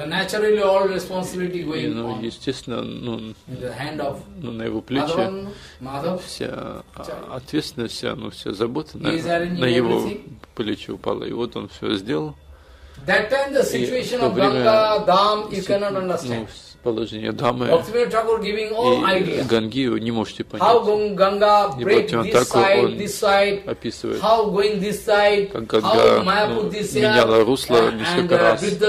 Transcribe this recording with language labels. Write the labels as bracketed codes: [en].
[ru] естественно, на его плечи вся ответственность, вся забота на его плечи упала. И вот он все сделал. [en] That time the situation of Ganga, Dham, you cannot understand. [ru] Положение Дамы и Ганги вы не можете понять. [en] How Ganga break this side, this side, [ru] описывает, [en] how going this side, [ru] как Ганга меняла русло несколько раз.